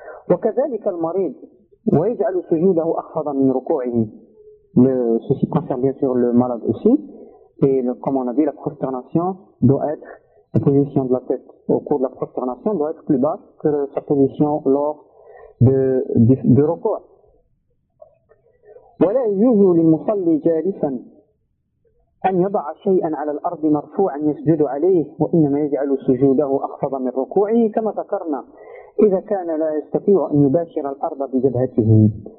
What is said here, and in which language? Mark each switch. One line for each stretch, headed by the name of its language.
Arabic: وكذلك المريض ويجعل سجوده أخفض من ركوعه.
French: Ceci concerne bien sûr le malade aussi. Et comme on a dit, la prosternation doit être, la position de la tête au cours de la prosternation doit être plus basse que sa position lors de ركوع.
Arabic: ولا يجوز للمصلي جالسا أن يضع شيئا على الأرض مرفوعا يسجد عليه وإنما يجعل سجوده أخفض من ركوعه كما ذكرنا. إذا كان لا يستطيع أن يباشر الأرض بجبهته.